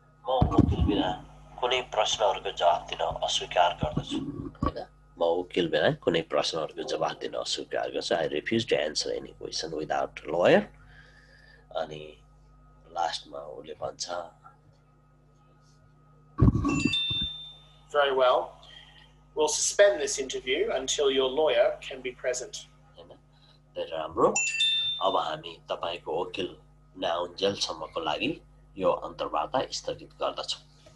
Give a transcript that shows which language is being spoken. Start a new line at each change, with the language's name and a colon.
Nepali: म वकिल बिना कुनै प्रश्नहरूको जवाब दिन अस्वीकार गर्दछु होइन म वकिल बिना कुनै प्रश्नहरूको जवाब दिन अस्वीकार गर्छु
English: I refuse to answer any question without lawyer
Nepali: अनि लास्टमा उसले भन्छ
English: Very well. We'll suspend this interview until your lawyer can be present.
Nepali: राम्रो अब हामी तपाईँको वकिल नआउन्जेलसम्मको लागि यो अन्तर्वार्ता स्थगित गर्दछौँ